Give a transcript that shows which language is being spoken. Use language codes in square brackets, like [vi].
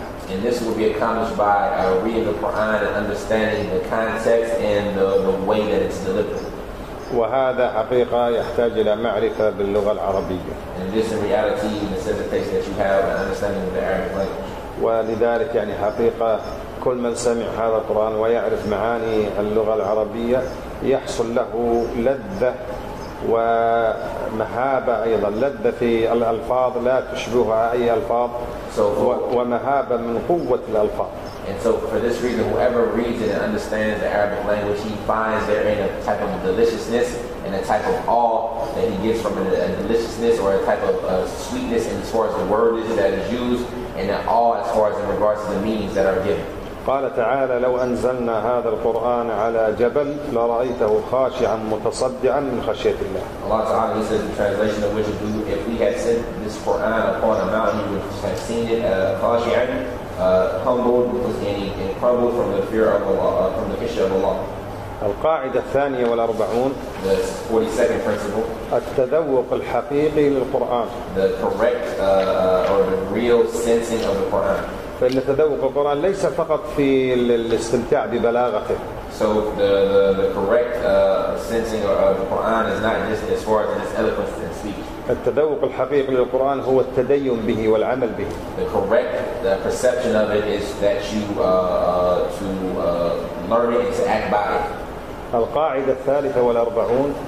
[en] And this will be accomplished by reading the Quran and understanding the context and the way that it's delivered. [ar] وهذا حقيقة يحتاج إلى معرفة باللغة العربية. [en] And this in reality necessitates that you have an understanding of the Arabic language. [ar] ولذلك يعني حقيقة كل من سمع هذا القرآن ويعرف معاني اللغة العربية يحصل له لذة ومهابة أيضا لذة في الألفاظ لا تشبهها أي ألفاظ ومهابة من قوة الألفاظ. [en] And so for this reason, whoever reads it and understands the Arabic language, he finds therein a type of deliciousness and a type of awe that he gets from a deliciousness or a type of sweetness as far as the word is that is used and an awe as far as in regards to the meanings that are given. [ar] قال تعالى لو أنزلنا هذا القرآن على جبل لرأيته خاشعا متصدعا من خشية الله. [en] Allah Ta'ala, he says the translation of which if we had said this Quran upon a mountain, you would have seen it خاشعا humbled and crumbled from the fear of Allah, from the khishya of Allah. [ar] القاعدة الثانية والأربعون. [en] The 42nd principle. [ar] التذوق الحقيقي للقرآن. [en] The correct or the real sensing of the Quran. [ar] فإن تذوق القرآن ليس فقط في الاستمتاع ببلاغته. [en] So the correct sensing of the Quran is not just as far as its eloquence and speech. [ar] التذوق الحقيقي للقرآن هو التدين به والعمل به. [en] The correct the perception of it is that you to learn it and to act by it. [ar] القاعدة الثالثة والأربعون.